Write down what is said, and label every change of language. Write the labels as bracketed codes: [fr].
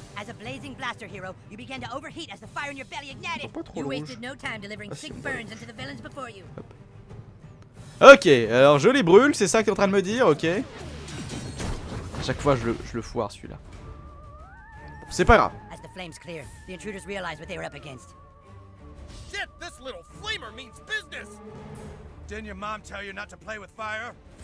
[en] As a blazing blaster hero, you began to overheat as the fire in your belly ignited. You wasted no time delivering sick burns into the villains before you. [fr] Ok, alors je les brûle, c'est ça que t'es en train de me dire, ok. A chaque fois je le foire celui-là. C'est pas grave. [en] As the flames cleared, the intruders realized what they were up against. Shit, this little flamer means business. Didn't your mom tell you not to play with fire?